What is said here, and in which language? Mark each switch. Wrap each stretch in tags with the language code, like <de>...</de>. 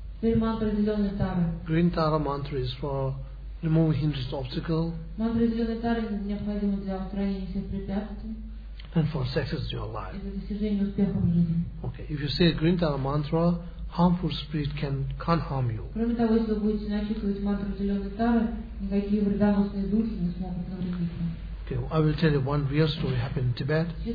<en>Green tara mantra is for removing hindrance obstacle.</en> <ru>Мантра зеленой тары необходима для устранения всех препятствий.</ru> <en>And for success in your life.</en> <ru>Для достижения успеха в жизни.</ru> <en>Okay, if you say green tara mantra, harmful spirit can't harm you.</en> <ru>Кроме того, если вы будете начитывать мантру зеленой тары, никакие вредоносные души не смогут навредить вам.</ru> <en>Okay, I will tell you one real story happened in Tibet.</en>